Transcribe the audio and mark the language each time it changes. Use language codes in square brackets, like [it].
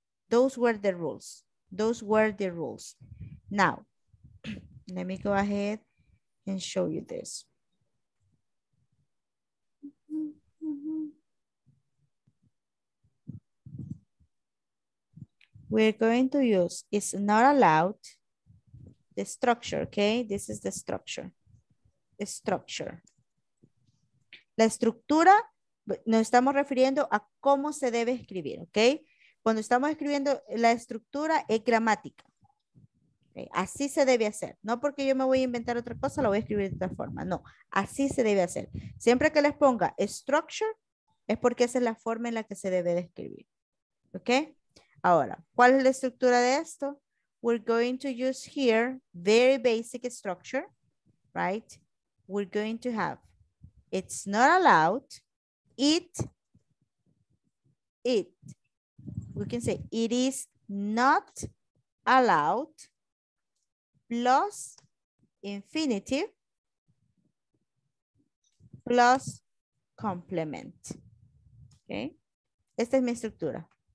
[en] Those were the rules. Those were the rules. Now, let me go ahead and show you this. We're going to use, it's not allowed, the structure, okay? This is the structure. The structure. [es] La estructura, nos estamos refiriendo a cómo se debe escribir, okay? Cuando estamos escribiendo, la estructura es gramática. Okay. Así se debe hacer. No porque yo me voy a inventar otra cosa, lo voy a escribir de otra forma. No, así se debe hacer. Siempre que les ponga structure, es porque esa es la forma en la que se debe de escribir. ¿Ok? Ahora, ¿cuál es la estructura de esto? [en] We're going to use here, very basic structure, right? We're going to have, it's not allowed, we can say it is not allowed plus infinitive plus complement. Okay. [es] Esta es mi estructura.